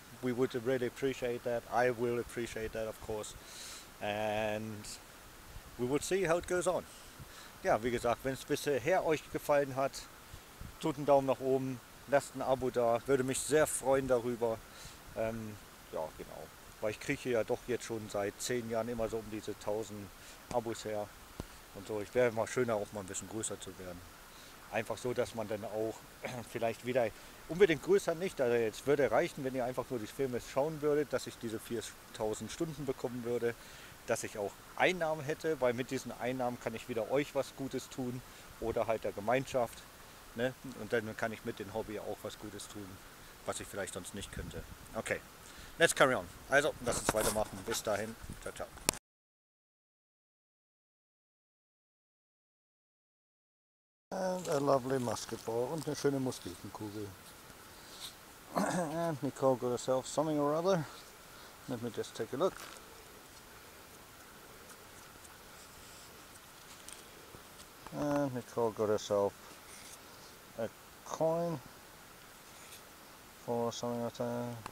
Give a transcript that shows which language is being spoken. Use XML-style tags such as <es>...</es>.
<en>We would really appreciate that. I will appreciate that, of course. And we will see how it goes on.</en> <de>Ja, wie gesagt, wenn es bisher euch gefallen hat, tut einen Daumen nach oben, lasst ein Abo da, würde mich sehr freuen darüber. Ja, genau, weil ich kriege ja doch jetzt schon seit 10 Jahren immer so um diese 1000 Abos her und so. Ich wäre mal schöner, auch mal ein bisschen größer zu werden. Einfach so, dass man dann auch vielleicht wieder, unbedingt größer nicht, also jetzt würde reichen, wenn ihr einfach nur die Filme schauen würdet, dass ich diese 4000 Stunden bekommen würde, dass ich auch Einnahmen hätte, weil mit diesen Einnahmen kann ich wieder euch was Gutes tun oder halt der Gemeinschaft. Ne? Und dann kann ich mit dem Hobby auch was Gutes tun, was ich vielleicht sonst nicht könnte.</de> <en>Okay, let's carry on.</en> <de>Also, lass uns weitermachen. Bis dahin. Ciao, ciao.</de> <en>And a lovely musket ball</en> <de>und eine schöne Musketenkugel.</de> <en>And Nicole got herself something or other. Let me just take a look. And Nicole got herself a coin for something like that.</en>